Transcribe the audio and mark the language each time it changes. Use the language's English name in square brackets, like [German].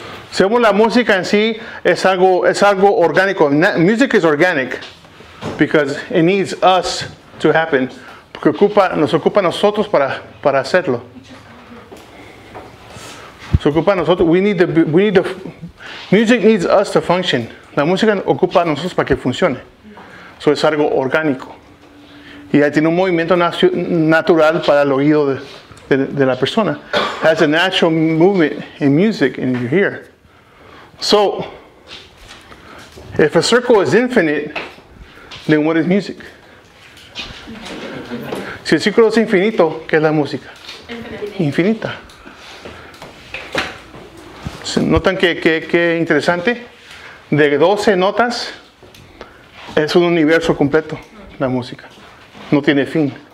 [Spanish] Según la música en sí, es algo orgánico. [English] Music is organic because it needs us to happen. [Spanish] Porque nos ocupa a nosotros para hacerlo. Se ocupa a nosotros. [English] Music needs us to function. [Spanish] La música ocupa a nosotros para que funcione. Eso es algo orgánico. Y ahí tiene un movimiento natural para el oído de la persona. [English] Has a natural movement in music in your ear. So, if a circle is infinite, then what is music? [Spanish] Si el círculo es infinito, ¿qué es la música? Infinita. ¿Notan qué interesante? De 12 notas, es un universo completo, la música. No tiene fin.